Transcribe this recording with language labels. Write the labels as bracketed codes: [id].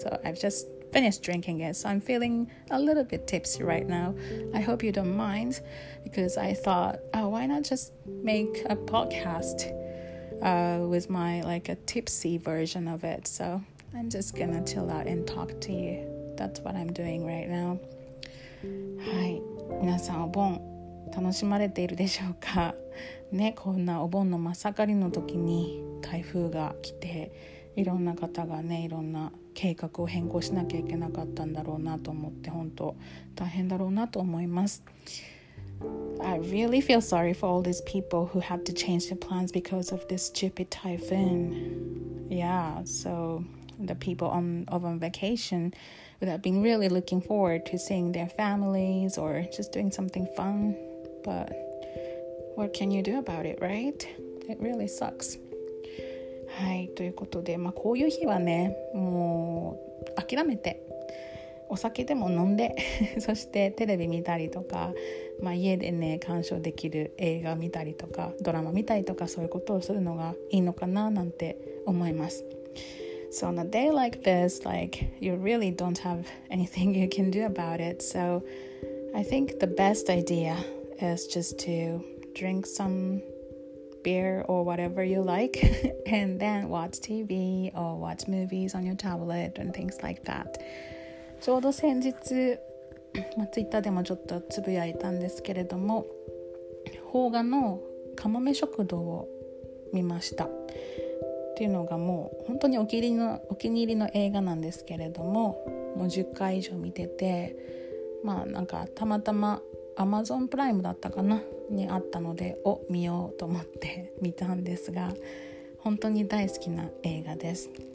[en] So I've just finished drinking it. So I'm feeling a little bit tipsy right now. I hope you don't mind, because I thought, oh, why not just make a podcast with my like a tipsy version of it. So I'm just gonna chill out and talk to you. That's what I'm doing right now. [ja] はい、皆さんお盆楽しまれているでしょうかね。こんなお盆の真っ盛りの時に台風が来て、いろんな方がね、いろんな計画を変更しなきゃいけなかったんだろうなと思って、本当大変だろうなと思います。 [en] I really feel sorry for all these people who had to change their plans because of this stupid typhoon. Yeah, so the people on vacationWithout being really looking forward to seeing their families or just doing something fun. But what can you do about it, right? It really sucks. [ja] はい、ということで、まあ、こういう日はね、もう諦めてお酒でも飲んでそしてテレビ見たりとか、まあ、家でね鑑賞できる映画見たりとかドラマ見たりとか、そういうことをするのがいいのかななんて思います。 [en] So on a day like this, like, you really don't have anything you can do about it. So I think the best idea is just to drink some beer or whatever you like and then watch TV or watch movies on your tablet and things like that. [ja] ちょうど先日、まあ、Twitter でもちょっとつぶやいたんですけれども、邦画のカモメ食堂を見ました。っていうのがもう本当にお気に入りの映画なんですけれども、もう10回以上見てて、まあなんかたまたまアマゾンプライムだったかなにあったので、を見ようと思って見たんですが、本当に大好きな映画です。